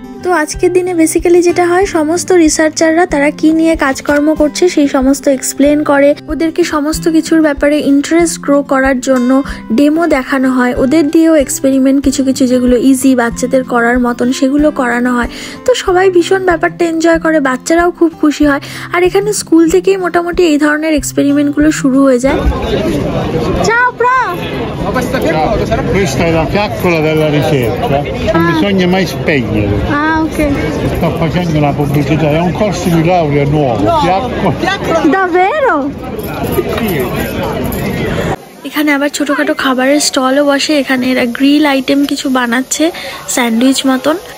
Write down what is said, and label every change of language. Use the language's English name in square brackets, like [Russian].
[Bangla] তো আজকের দিনে বেসিক্যালি যেটা হয়, সমস্ত রিসার্চাররা তারা কি নিয়ে কাজকর্ম করছে সেই সমস্ত এক্সপ্লেন করে, ওদেরকে সমস্ত কিছুর ব্যাপারে ইন্টারেস্ট গ্রো করার জন্য ডেমো দেখানো হয়, ওদের দিয়েও এক্সপেরিমেন্ট কিছু কিছু যেগুলো ইজি বাচ্চাদের করার মতন সেগুলো করানো হয়। তো সবাই ভীষণ ব্যাপারটা এনজয় করে, বাচ্চারাও খুব খুশি হয়, আর এখানে স্কুল থেকেই মোটামুটি এই ধরনের এক্সপেরিমেন্টগুলো শুরু হয়ে যায়। [Italian] Questa è la fiaccola della ricerca, non bisogna mai spegnere. Ok. Sto facendo la pubblicità, è un corso di laurea nuovo. Fiaccola. Davvero? Sì. [Bangla] এখানে আবার ছোটখাটো খাবারের স্টলও বসে, এখানে এরা গ্রিল আইটেম কিছু বানাচ্ছে, স্যান্ডউইচ মতন।